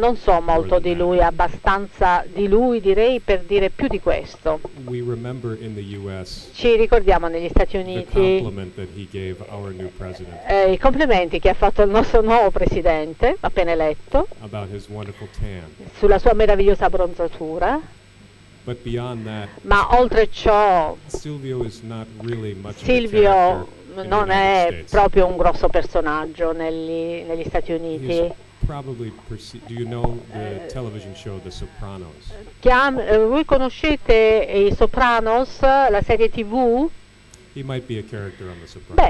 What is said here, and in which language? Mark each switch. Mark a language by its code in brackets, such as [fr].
[it] non so molto di lui, abbastanza di lui direi per dire più di questo. [en] We remember in the US [it] ci ricordiamo negli Stati Uniti [en] the compliment that he gave our new president [it] i complimenti che ha fatto il nostro nuovo presidente, appena eletto, [en] about his wonderful tan. [it] Sulla sua meravigliosa abbronzatura. [en] But beyond that, [it] ma oltre ciò, [en] Silvio, is not really much [it] Silvio [en] of a character. [it] Non è proprio un grosso personaggio negli Stati Uniti. [en] Do you know the television show The Sopranos? [it] Voi conoscete i Sopranos, la serie TV? [en] He might be a character on The Sopranos.